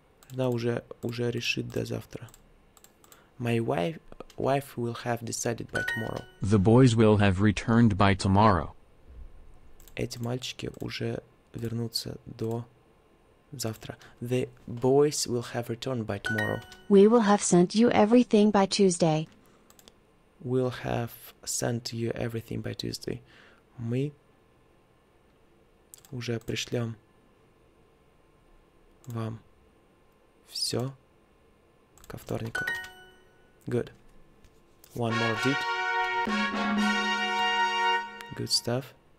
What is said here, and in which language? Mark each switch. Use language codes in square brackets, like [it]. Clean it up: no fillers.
[ru] Она уже решит до завтра. [en] My wife will have decided by tomorrow. The boys will have returned by tomorrow. [ru] Эти мальчики уже вернутся до завтра. [en] The boys will have returned by tomorrow. We will have sent you everything by Tuesday. We'll have sent you everything by Tuesday. [ru] Мы уже пришлем вам все ко вторнику. [en] Good. One more beat. Good stuff.